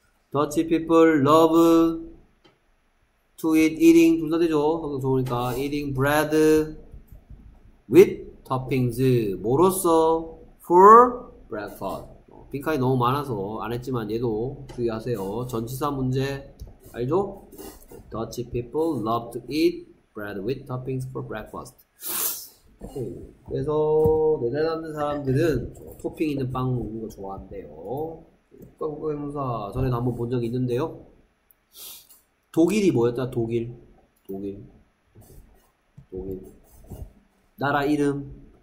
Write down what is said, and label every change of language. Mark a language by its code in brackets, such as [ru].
[ko] 더치 피플 [en] love to eat eating [ko] 둘 다 되죠. 항상 좋으니까 [en] eating bread with toppings [ko] 뭐로써 [en] for breakfast. [ko] 빈칸이 너무 많아서 안 했지만 얘도 주의하세요. 전치사 문제 알죠? [en] Dutch people love to eat bread with toppings for breakfast. [ko] 그래서 네덜란드 사람들은 토핑 있는 빵 먹는 거 좋아한대요. 국가국가명사 전에도 한번 본 적이 있는데요. 독일이 뭐였다? 독일. 독일. 독일. 나라 이름.